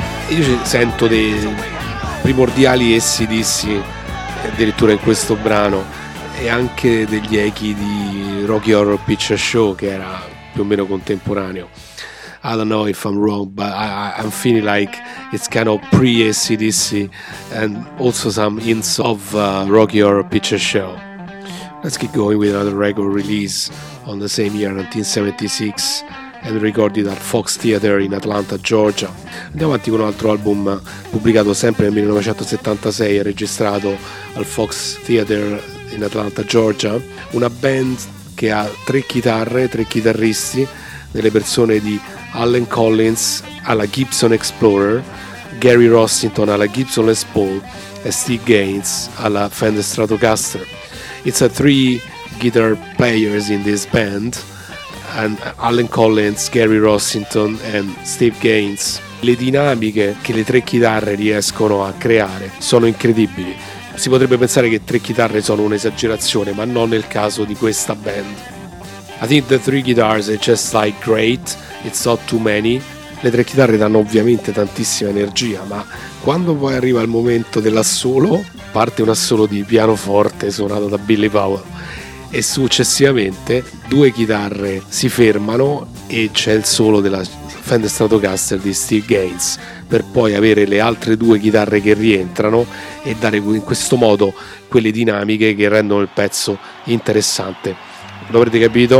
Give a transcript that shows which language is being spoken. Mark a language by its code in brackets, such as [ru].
[it] Io sento dei primordiali AC/DC addirittura in questo brano, e anche degli echi di Rocky Horror Picture Show, che era più o meno contemporaneo. [en] I don't know if I'm wrong, but I'm feeling like it's kind of pre-AC/DC and also some hints of Rocky Horror Picture Show. Let's keep going with another record release on the same year, 1976, and recorded at Fox Theater in Atlanta, Georgia. [it] Andiamo avanti con un altro album pubblicato sempre nel 1976 e registrato al Fox Theater in Atlanta, Georgia. Una band che ha tre chitarre, tre chitarristi, nelle persone di Allen Collins alla Gibson Explorer, Gary Rossington alla Gibson Les Paul e Steve Gaines alla Fender Stratocaster. [en] It's a three guitar players in this band, and Allen Collins, Gary Rossington and Steve Gaines. [it] Le dinamiche che le tre chitarre riescono a creare sono incredibili. Si potrebbe pensare che tre chitarre sono un'esagerazione, ma non nel caso di questa band. [en] I think the three guitars are just like great, it's not too many. [it] Le tre chitarre danno ovviamente tantissima energia, ma quando poi arriva il momento dell'assolo, parte un assolo di pianoforte suonato da Billy Powell, e successivamente due chitarre si fermano e c'è il solo della Fender Stratocaster di Steve Gaines, per poi avere le altre due chitarre che rientrano e dare in questo modo quelle dinamiche che rendono il pezzo interessante. Lo avrete capito?